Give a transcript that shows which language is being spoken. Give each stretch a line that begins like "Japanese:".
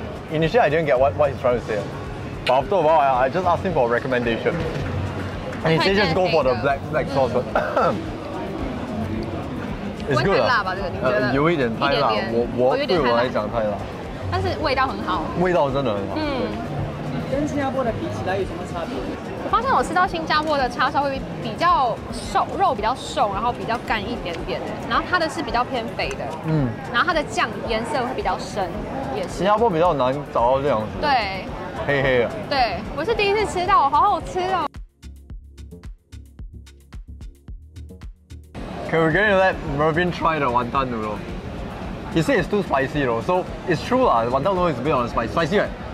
English: Initially, I didn't get what he's trying to say. But after a while, I just asked him for a recommendation. And he said just go for the black sauce. But it's good. You eat it, Thai. I think it's a little bit. But it's really good.
Chinese: 跟新加坡的比起来有什么差别？我发现我吃到新加坡的叉烧会比较瘦，肉比较瘦，然后比较干一点点，然后它的是比较偏肥的，然后它的酱颜色会比较深，也是。新加坡比较难找到这样子，对，黑黑的。对，我是第一次吃到，好好吃哦。
English: Can we gonna let Mervin try the wonton noodle? He said it's too spicy, though. So it's true lah. Wonton noodle is a bit on the spicy, right?